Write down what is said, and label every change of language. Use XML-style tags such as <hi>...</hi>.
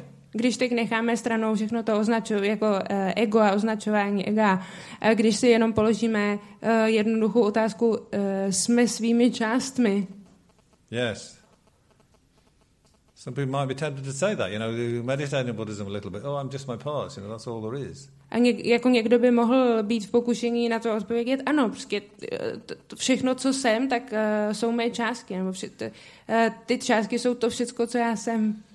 <cs>Když teď necháme stranou všechno to označování jako ego a označování ega, když si jenom položíme jednoduchou otázku, jsme svými částmi.</cs> <en>Yes. Some people might be tempted to say that, you know, meditating in Buddhism a little bit. Oh, I'm just my parts, you know, that's all there is.</en> <cs>A jako někdo by mohl být v pokušení na to odpovědět, ano, prostě všechno, co jsem, tak jsou mé částky, nebo ty částky jsou to všechno, co já jsem.</cs>